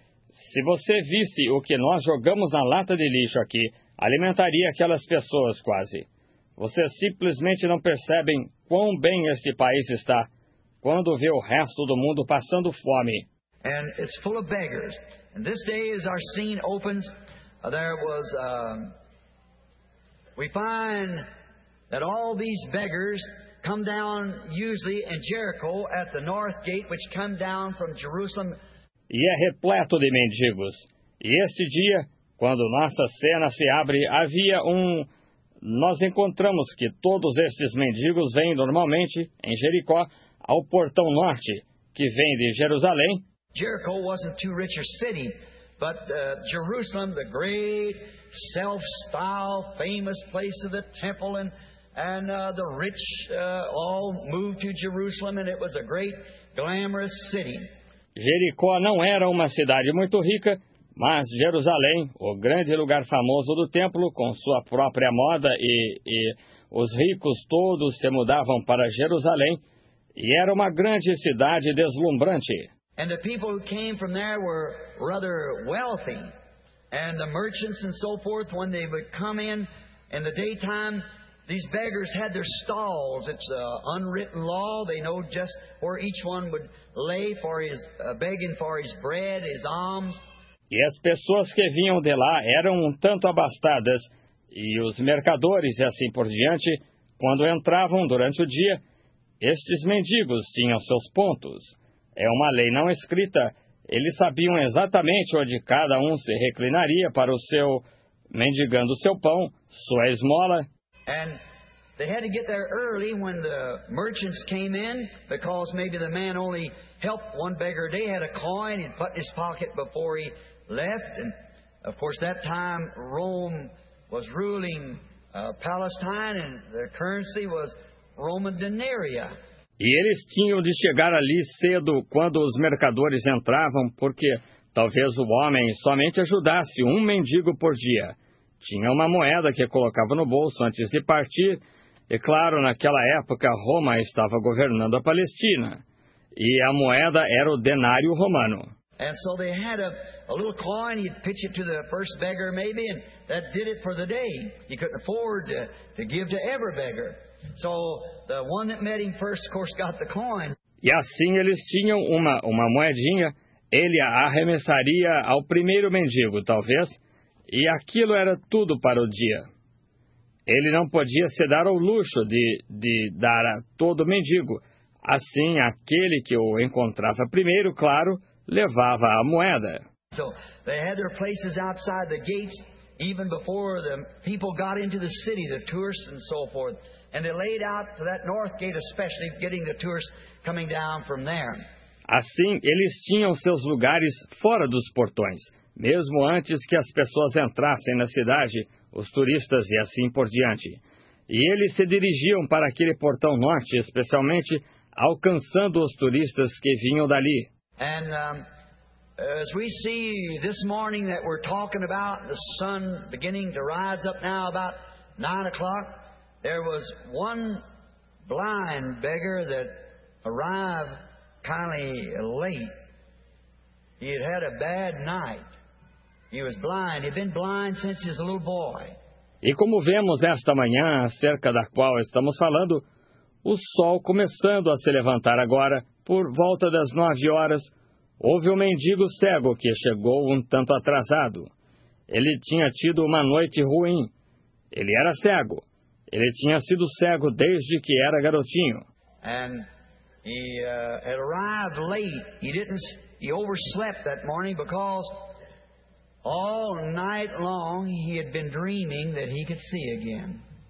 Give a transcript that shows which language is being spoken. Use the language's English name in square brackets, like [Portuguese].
[Portuguese] Se você visse o que nós jogamos na lata de lixo aqui, alimentaria aquelas pessoas quase. Vocês simplesmente não percebem quão bem este país está quando vê o resto do mundo passando fome. [English] And it's full of beggars. And this day as our scene opens, there was we find that all these beggars come down usually in Jericho at the north gate, which come down from Jerusalem. [Portuguese] E é repleto de mendigos. E este dia, quando nossa cena se abre, havia um... Nós encontramos que todos estes mendigos vêm normalmente, em Jericó, ao portão norte, que vem de Jerusalém. [English] Jericho wasn't too rich a city, but Jerusalem, the great... self-styled, famous place of the temple, and the rich all moved to Jerusalem, and it was a great, glamorous city. [Portuguese] Jericó não era uma cidade muito rica, mas Jerusalém, o grande lugar famoso do templo, com sua própria moda, e os ricos todos se mudavam para Jerusalém, e era uma grande cidade deslumbrante. [English] And the people who came from there were rather wealthy. And the merchants and so forth, when they would come in the daytime, these beggars had their stalls. It's an unwritten law. They know just where each one would lay for his begging for his bread, his alms. [Portuguese] E as pessoas que vinham de lá eram um tanto abastadas, e os mercadores e assim por diante, quando entravam durante o dia, estes mendigos tinham seus pontos. É uma lei não escrita. Eles sabiam exatamente onde cada um se reclinaria para o seu, mendigando seu pão, sua esmola. [English] And they had to get there early when the merchants came in, because maybe the man only helped one beggar. They had a coin and put in his pocket before he left. And of course, that time Rome was ruling Palestine, and their currency was Roman denaria. [Portuguese] E eles tinham de chegar ali cedo quando os mercadores entravam, porque talvez o homem somente ajudasse um mendigo por dia. Tinha uma moeda que colocava no bolso antes de partir, e claro, naquela época Roma estava governando a Palestina, e a moeda era o denário romano. [English] And so they had a little coin, he'd pitch it to the first beggar maybe, and that did it for the day. He couldn't afford to give to every beggar. So the one that met him first, of course, got the coin. [Portuguese] E assim eles tinham uma moedinha, ele a arremessaria ao primeiro mendigo, talvez, e aquilo era tudo para o dia. Ele não podia se dar ao luxo de dar a todo mendigo. Assim, aquele que o encontrava primeiro, claro, levava a moeda. [English] So they had their places outside the gates, even before the people got into the city, the tourists and so forth. And they laid out to that north gate, especially getting the tourists coming down from there. [Portuguese] Assim, eles tinham seus lugares fora dos portões, mesmo antes que as pessoas entrassem na cidade, os turistas e assim por diante. E eles se dirigiam para aquele portão norte, especialmente alcançando os turistas que vinham dali. [English] And as we see this morning that we're talking about, the sun beginning to rise up now about 9 o'clock, there was one blind beggar that arrived kind of late. He had had a bad night. He was blind. He'd been blind since he was a little boy. [Portuguese] E como vemos esta manhã, acerca da qual estamos falando, o sol começando a se levantar agora, por volta das 9 horas, houve um mendigo cego que chegou um tanto atrasado. Ele tinha tido uma noite ruim. Ele era cego. Ele tinha sido cego desde que era garotinho. [English] And he had arrived late. He overslept that morning because all night long he had been dreaming that he could see again.